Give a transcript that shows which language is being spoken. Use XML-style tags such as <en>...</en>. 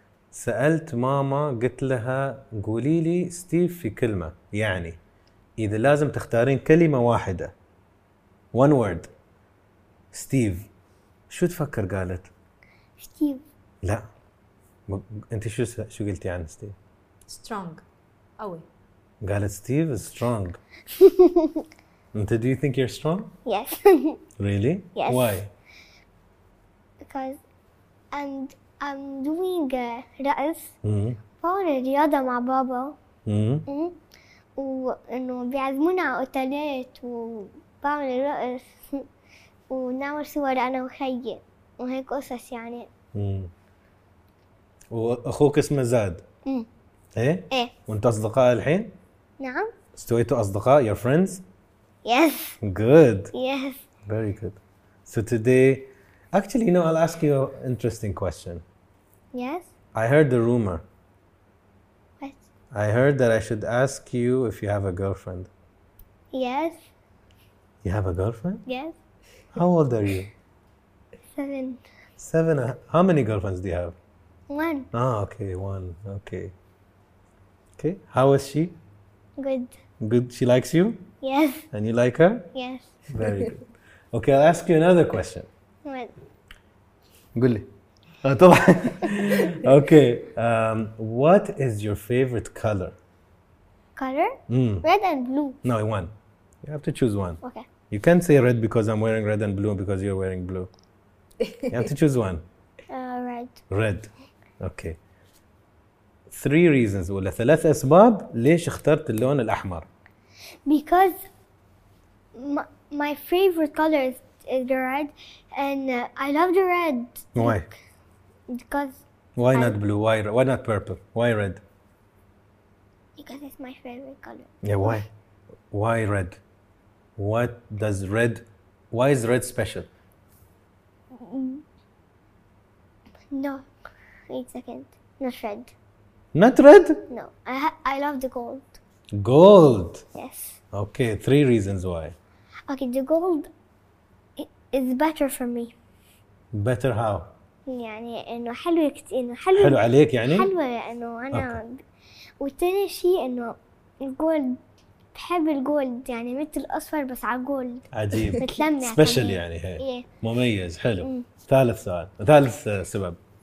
<ar>سألت ماما قلت لها قولي لي ستيف في كلمة يعني إذا لازم تختارين كلمة واحدة</ar> <en>one word</en> <ar>ستيف شو تفكر قالت؟ ستيف. لا أنت شو قلتي عن ستيف؟ strong قوي. قالت ستيف</ar> <en>is strong.</en> <ar>انت</ar> <en>do you think you're strong? Yes. Really? Yes. Why? Because and I'm doing</en> <ar>رأس. فور رياضة مع بابا. وانه بيعزمونا على اوتيلات وبعمل رأس ونعمل صور انا وخيي وهيك قصص يعني. واخوك اسمه زاد. ايه؟ ايه. وانت اصدقاء الحين؟ نعم. استويتوا اصدقاء؟</ar> <en>your friends؟ yes. good. yes. very good. so today actually you know I'll ask you an interesting question. yes. I heard the rumor. what? I heard that I should ask you if you have a girlfriend. yes. you have a girlfriend? yes. how old are you? 7. 7. how many girlfriends do you have? 1. okay. 1. okay. okay. how is she? good. good. she likes you? yes. and you like her? yes. very good. okay. I'll ask you another question. what?</en> <ar>قل لي. طبعا.</ar> <en>okay. what is your favorite color? color? red and blue. no, one. you have to choose one. okay. you can't say red because I'm wearing red and blue because you're wearing blue. you have to choose one. red. red. okay. three reasons</en> <ar>ولا ثلاث أسباب ليش اخترت اللون الأحمر؟</ar> <en>because my favorite color is the red and I love the red. why? because why not blue? why not purple? why red? because it's my favorite color. yeah why? why red? what does red? why is red special? no, wait a second, not red. Not red? No. I love the gold. Gold. Yes. Okay, three reasons why. Okay, the gold is better for me. Better how?</en> <ar>يعني إنه حلو كتير إنه حلو. حلو عليك يعني؟ حلو لأنه أنا والتاني شيء إنه الجولد بحب الجولد يعني مثل الأصفر بس على جولد. عجيب. بتلمع. سبيشال يعني هاي. مميز حلو. ثالث سؤال ثالث سبب.</ar>